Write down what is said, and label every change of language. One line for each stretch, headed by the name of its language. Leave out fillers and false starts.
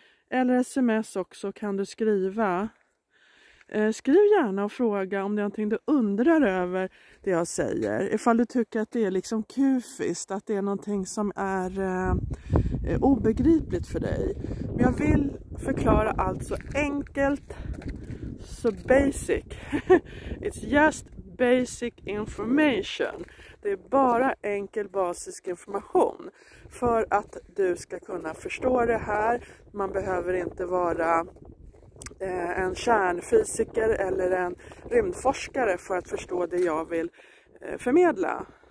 Swedish: Eller sms också kan du skriva. Skriv gärna och fråga om det är någonting du undrar över det jag säger. Ifall du tycker att det är liksom kufiskt, att det är någonting som är obegripligt för dig. Men jag vill förklara allt så enkelt, så basic.
English: It's just basic information.
Swedish: Det är bara enkel basisk information. För att du ska kunna förstå det här. Man behöver inte vara en kärnfysiker eller en rymdforskare för att förstå det jag vill förmedla.